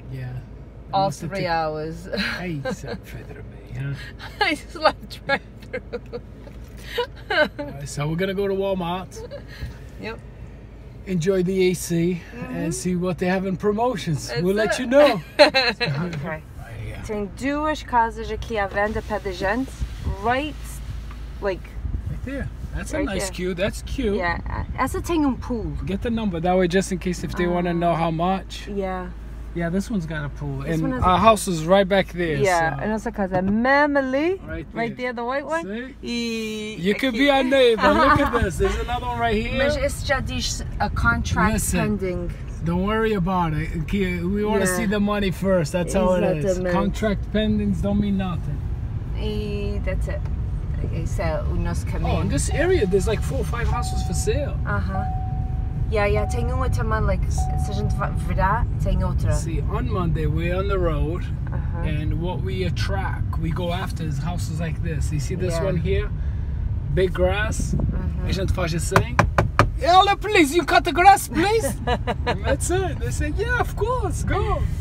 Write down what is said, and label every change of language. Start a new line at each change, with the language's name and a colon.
English: Yeah. All 3 hours. I slept right through me, yeah. I slept right through. All right, so we're gonna go to Walmart. Yep. Enjoy the AC and see what they have in promotions. We'll let you know. Okay.
Portuguese: Tem duas casas aqui à venda para a gente.
English: Right, like. Right there. That's right a nice queue. That's cute.
Portuguese: Yeah. Essa tem pool.
English: Get the number that way, just in case if they want to know how much. Yeah. Yeah, this one's got a pool, this and our house is right back there. Yeah, and also because a mammaly, right there, the white one. See? You could be our neighbor. Look at this. There's another one right here. It's just a contract pending. Don't worry about it. Okay, we want to see the money first. That's how it is. Contract pendings don't mean nothing. That's it. Okay, so
Portuguese: nos caminhos.
English: Oh, in this area, there's like 4 or 5 houses for sale.
Portuguese: Yeah, tem uma também, like, se a gente virar, tem outra.
English: See, on Monday, we're on the road, and what we attract, we go after is houses like this. You see this one here? Big grass.
Portuguese: A gente faz assim.
English: Olha, please, you cut the grass, please. That's it. They say, yeah, of course, go.